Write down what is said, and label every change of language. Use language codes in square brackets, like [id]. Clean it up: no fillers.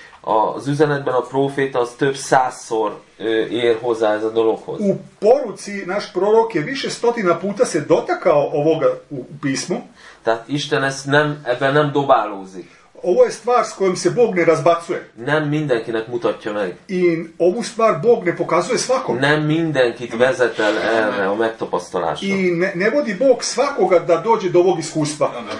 [hu] Az üzenetben a proféta az több százszor ér hozzá ez a dologhoz. [sr] U poruci naš prorok je više stotina puta se dotakao ovoga u pismu. [hu] Tehát Isten ezt nem, ebben nem dobálózik. [sr] Ovo je stvar s kojom se Bog ne razbacuje. [hu] Nem mindenkinek mutatja meg. [sr] I ovu stvar Bog ne pokazuje svakom. [hu] Nem mindenkit vezet el erre a megtapasztalásra. [sr] I ne vodi Bog svakoga da dođe do ovog iskustva.